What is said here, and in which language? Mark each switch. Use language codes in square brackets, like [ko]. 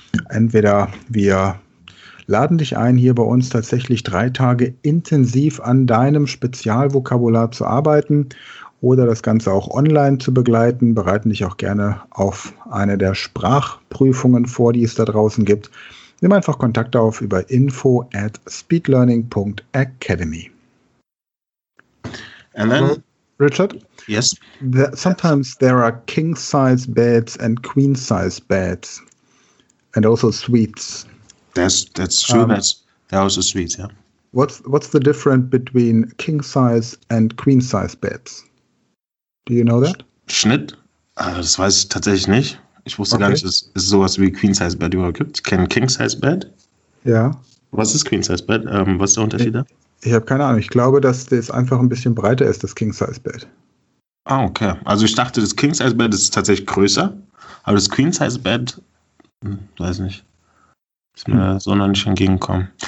[de] Entweder wir laden dich ein, hier bei uns tatsächlich 3 Tage intensiv an deinem Spezialvokabular zu arbeiten oder das Ganze auch online zu begleiten. Bereiten dich auch gerne auf eine der Sprachprüfungen vor, die es da draußen gibt. Nimm einfach Kontakt auf über info@speedlearning.academy. [en] And then, Richard? Yes? Sometimes there are king-size beds and queen-size beds and also suites. That's true. There are also suites, yeah. What's the difference between king-size and queen-size beds? Do you know that? [de] Schnitt? Das weiß ich tatsächlich nicht. Ich wusste gar nicht, dass es sowas wie queen-size bed überhaupt gibt. Kein king-size bed? Ja. [en] Yeah. [de] Was ist queen-size bed? Was ist der Unterschied da? Ich habe keine Ahnung. Ich glaube, dass das einfach ein bisschen breiter ist, das King-Size-Bett. Ah, okay. Also ich dachte, das King-Size-Bett ist tatsächlich größer, aber das Queen-Size-Bett, weiß nicht, ist mir so noch nicht entgegenkommen.